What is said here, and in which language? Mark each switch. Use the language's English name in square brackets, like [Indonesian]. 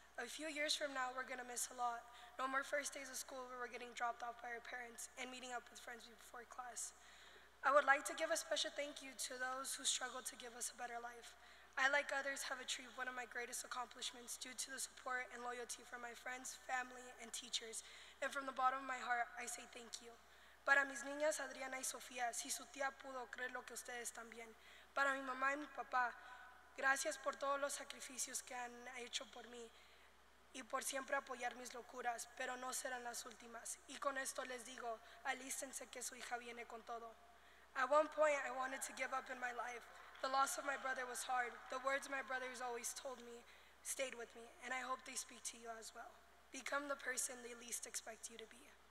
[English] A few years from now, we're gonna miss a lot. No more first days of school where we're getting dropped off by our parents and meeting up with friends before class. I would like to give a special thank you to those who struggled to give us a better life. I, like others, have achieved one of my greatest accomplishments due to the support and loyalty from my friends, family, and teachers. And from the bottom of my heart, I say thank you. [Spanish] Para mis niñas Adriana y Sofía, si su tía pudo creer lo que ustedes también. Para mi mamá y mi papá, gracias por todos los sacrificios que han hecho por mí y por siempre apoyar mis locuras, pero no serán las últimas. Y con esto les digo, alístense que su hija viene con todo. [English] At one point, I wanted to give up in my life. The loss of my brother was hard. The words my brothers always told me stayed with me, and I hope they speak to you as well. Become the person they least expect you to be.